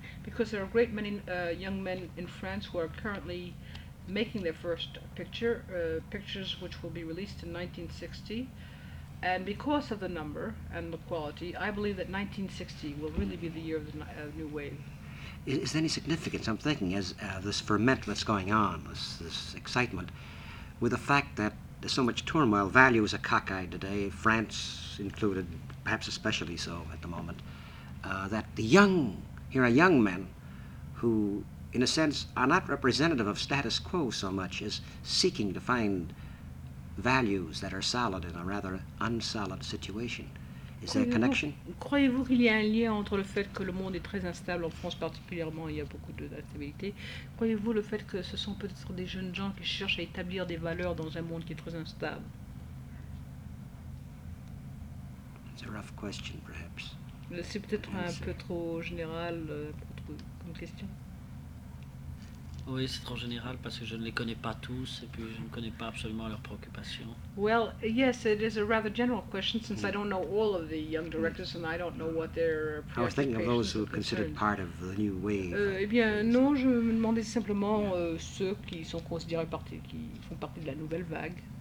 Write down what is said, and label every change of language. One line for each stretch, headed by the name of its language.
English: Because there are a great many young men in France who are currently making their first pictures which will be released in 1960, and because of the number and the quality, I believe that 1960 will really be the year of the new wave. Is there any significance, I'm thinking, as this ferment that's going on, this excitement, with the fact that there's so much turmoil, values are cockeyed today, France included, perhaps especially so at the moment, that the young, here are young men who in a sense, are not representative of status quo so much as seeking to find values that are solid in a rather unsolid situation. Is there a connection?
French: Croyez-vous qu'il y a un lien entre le fait que le monde est très instable en France particulièrement, il y a beaucoup d'instabilité. Croyez-vous le fait que ce sont peut-être des jeunes gens qui cherchent à établir des valeurs dans un monde qui est très instable?
English: It's a rough question, perhaps.
French: C'est peut-être un peu trop général comme question. Oui, c'est trop général parce que je ne les connais pas tous et puis je ne connais pas absolument leurs préoccupations.
English: Well, yes, it is a rather general question since I don't know all of the young directors and I don't know what their preoccupations are. I was thinking of those who are considered part of the new wave.
French: Eh bien, non, je me demandais simplement ceux qui sont considérés qui font partie de la nouvelle vague.